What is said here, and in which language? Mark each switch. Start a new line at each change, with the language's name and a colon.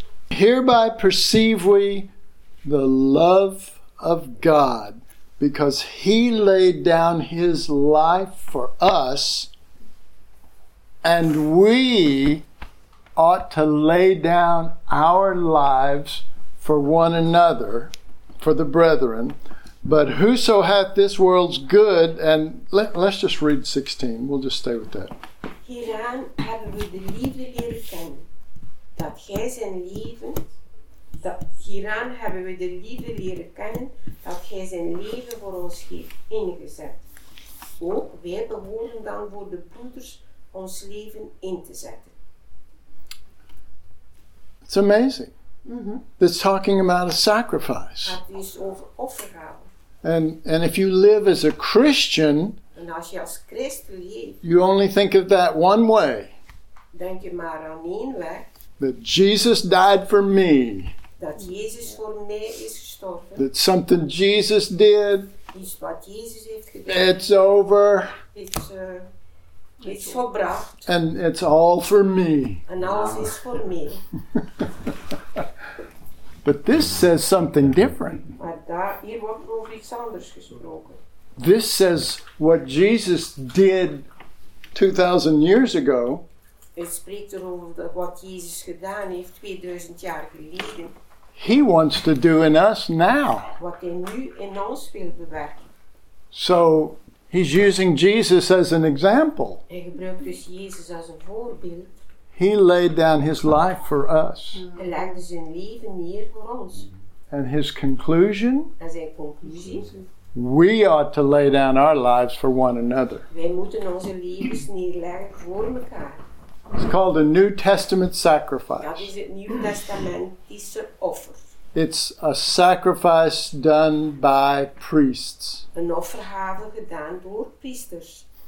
English: Hereby perceive we the love of God, because he laid down his life for us, and we ought to lay down our lives for one another, for the brethren. But whoso hath this world's good, and let's just read 16. We'll just stay with that.
Dutch: Hieraan hebben we de liefde leren kennen, dat gij zijn leven. Hieraan hebben we de liefde leren kennen dat gij zijn leven voor ons heeft ingezet. Ook wij behoren dan voor de broeders ons leven in te zetten.
English: It's amazing. Mm-hmm. It's talking about a sacrifice.
Dutch: Het is over offergave.
English: And if you live as a Christian,
Dutch: en als je als Christ leeft,
English: you only think of that one way.
Dutch: Denk je maar aan één weg.
English: That Jesus died for me.
Dutch: Dat Jezus voor mij is gestorven.
English: That something Jesus did.
Dutch: Is wat Jezus heeft gedaan.
English: It's over.
Dutch: It's volbracht.
English: And it's all for me.
Dutch: En alles is voor mij.
English: But this says something different.
Dutch: Maar hier wordt over iets anders gesproken.
English: This says what Jesus did 2,000 years ago.
Dutch: Het spreekt erover wat Jezus gedaan heeft 2000 jaar geleden.
English: He wants to do in us now.
Dutch: Wat hij nu in ons wil bewerken.
English: So he's using Jesus as an example.
Dutch: Hij gebruikt dus Jezus als een voorbeeld.
English: He laid down his life for us.
Dutch: Hij legde zijn leven neer voor ons.
English: And his conclusion?
Dutch: En zijn conclusie?
English: We ought to lay down our lives for one another.
Dutch: Wij moeten onze levens neerleggen voor elkaar.
English: It's called a New Testament sacrifice.
Dutch: Dat is het New Testamentische offer. It's a sacrifice done by priests. Een offergave gedaan door priesters.